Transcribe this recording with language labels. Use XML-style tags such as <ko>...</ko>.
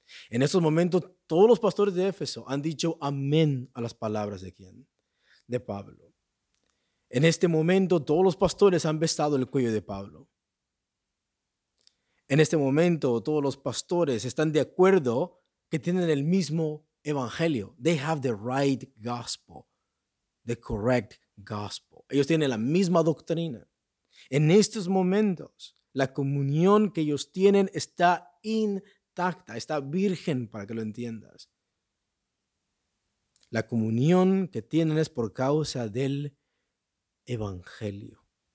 <es>En estos momentos todos los pastores de Éfeso han dicho amén a las palabras de ¿quién? De Pablo. En este momento todos los pastores han besado el cuello de Pablo. En este momento todos los pastores están de acuerdo que tienen el mismo evangelio.</es> <en>They have the right gospel, the correct gospel.</en> <es>Ellos tienen la misma doctrina. En estos momentos, la comunión que ellos tienen está intacta, está virgen, para que lo entiendas. La comunión que tienen es por causa del evangelio.</es>